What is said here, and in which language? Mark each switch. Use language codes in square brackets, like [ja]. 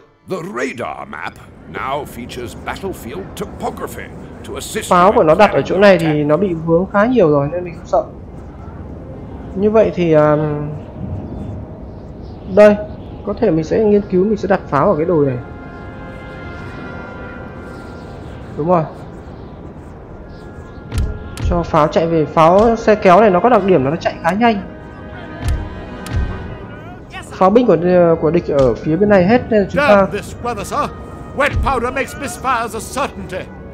[en] The radar map now features battlefield topography to assist. [vi] Pháo của nó đặt ở chỗ này thì nó bị vướng khá nhiều rồi nên mình không sợ. Như vậy thì đây, có thể mình sẽ nghiên cứu, mình sẽ đặt pháo ở cái đồi này. Đúng rồi. Cho pháo chạy về, pháo xe kéo này nó có đặc điểm là nó chạy khá nhanh. Pháo binh của địch ở phía bên này hết nên chúng ta... [en] Wet powder makes misfires a certainty.